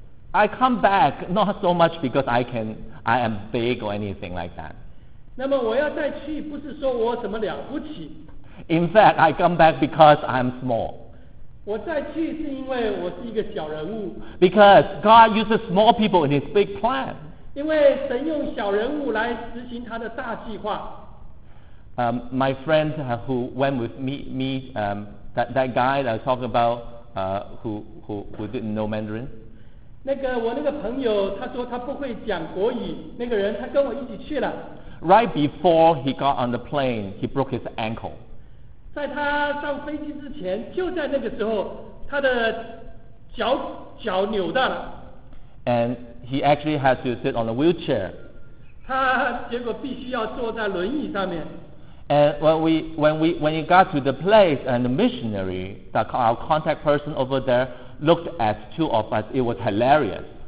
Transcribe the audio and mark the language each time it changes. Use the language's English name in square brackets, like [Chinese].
[English] I come back not so much because I am big or anything like that. [Chinese] 那么我要再去，不是说我怎么了不起。 [English] In fact, I come back because I am small. [Chinese] 我再去是因为我是一个小人物。 [English] Because God uses small people in His big plan. [Chinese] 因为神用小人物来执行他的大计划。 [English] My friend who went with me, that guy that I was talking about, who didn't know Mandarin. [Chinese] 那个我那个朋友，他说他不会讲国语。那个人他跟我一起去了。 [English] Right before he got on the plane, he broke his ankle. [Chinese] 在他上飞机之前，就在那个时候，他的脚扭到了。 [English] And he actually had to sit on a wheelchair. [Chinese] 他结果必须要坐在轮椅上面。 [English] And when he got to the place, and the missionary, our contact person over there, looked at two of us, it was hilarious.